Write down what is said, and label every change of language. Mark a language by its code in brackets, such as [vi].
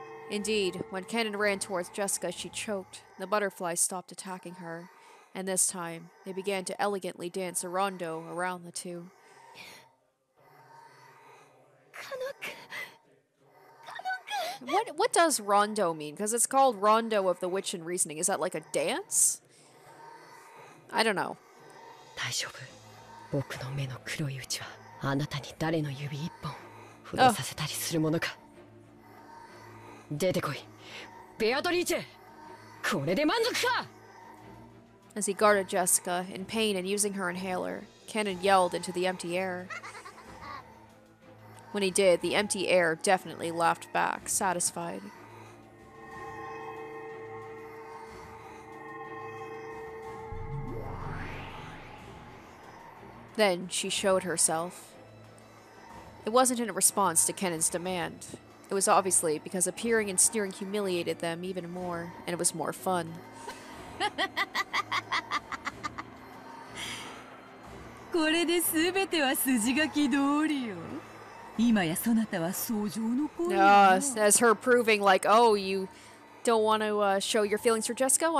[en] Indeed, when Kanon ran towards Jessica, she choked. The butterflies stopped attacking her, and this time, they began to elegantly dance a rondo around the two. Kanon-kun! What does rondo mean? Because it's called Rondo of the Witch and Reasoning. Is that like a dance? I don't know. [ja] 大丈夫。僕の目の黒い内はあなたに誰の指一本触れさせたりするものか。出てこい。ベアトリーチェ。これで満足か? [en] As he guarded Jessica, in pain and using her inhaler, Kanon yelled into the empty air. When he did, the empty air definitely laughed back, satisfied. Then she showed herself. It wasn't in response to Kenan's demand. It was obviously because appearing and sneering humiliated them even more, and it was more fun. [ja] これで全ては筋書き通りよ。 [en] As her proving, like, oh, you don't want to show your feelings for Jesco?